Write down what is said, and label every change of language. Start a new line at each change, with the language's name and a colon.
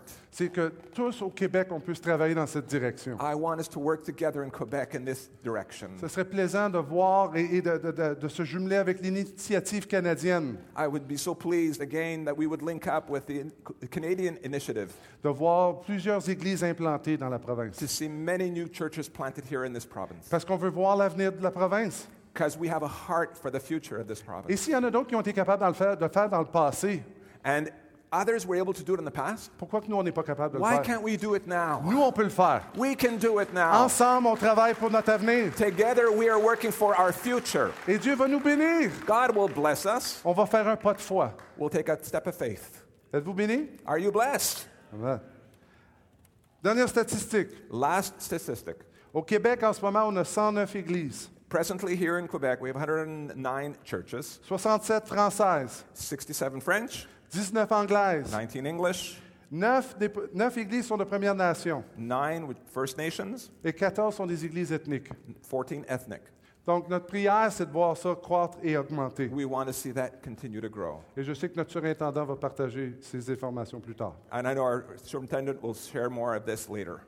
French: c'est que tous au Québec, on puisse travailler dans cette direction.
English: I want us to work together in Quebec in this direction.
French: Ce serait plaisant de voir et de se jumeler avec l'initiative canadienne.
English: I would be so pleased again that we would link up with the Canadian initiative.
French: De voir plusieurs églises implantées dans la province.
English: To see many new churches planted here in this province.
French: Parce qu'on veut voir l'avenir de la province.
English: Because we have a heart for the future of this province.
French: Et s'il y en a d'autres qui ont été capables de le faire dans le passé,
English: and others were able to do it in the past,
French: pourquoi que nous on n'est pas capable de
English: why
French: le faire?
English: Why can't we do it now?
French: Nous on peut le faire.
English: We can do it now.
French: Ensemble on travaille pour notre avenir.
English: Together we are working for our future.
French: Et Dieu va nous bénir.
English: God will bless us.
French: On va faire un pas de foi.
English: We'll take a step of faith.
French: Êtes-vous béni?
English: Are you blessed?
French: Amen. Dernière statistique.
English: Last statistic.
French: Au Québec en ce moment on a 109 églises.
English: Presently here in Quebec, we have 109 churches.
French: 67 françaises.
English: 67 French.
French: 19 anglaises.
English: 19 English.
French: 9 églises sont de Première Nation.
English: 9 with First Nations.
French: Et 14 sont des églises ethniques.
English: 14 ethnic.
French: Donc notre prière, c'est de voir ça croître et augmenter.
English: We want to see that continue to grow.
French: Et je sais que notre surintendant va partager ces informations plus tard.
English: And I know our superintendent will share more of this later.